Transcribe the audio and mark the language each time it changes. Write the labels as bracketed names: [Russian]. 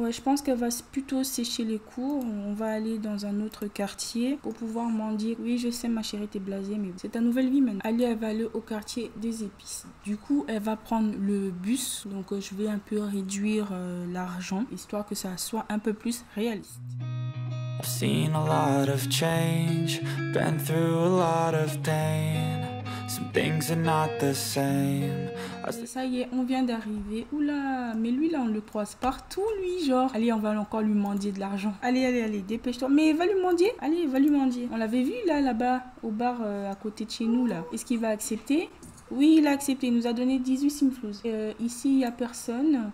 [French] Ouais, je pense qu'elle va plutôt sécher les cours. On va aller dans un autre quartier pour pouvoir mendier. Oui, je sais, ma chérie, t'es blasée, mais c'est ta nouvelle vie maintenant. Allez, elle va aller au quartier des épices. Du coup, elle va prendre le bus. Donc, je vais un peu réduire l'argent histoire que ça soit un peu plus réaliste. [English] I've seen a lot of change, been through a lot of pain. Some things are not the same. [French] Ça y est, on vient d'arriver. Oula, mais lui là, on le croise partout, lui, genre. Allez, on va encore lui mendier de l'argent. Allez, allez, allez, dépêche-toi. Mais va lui mendier. Allez, va lui mendier. On l'avait vu là-bas, au bar à côté de chez nous là. Est-ce qu'il va accepter? Oui, il a accepté. Il nous a donné 18 simflouz. Ici, il n'y a personne.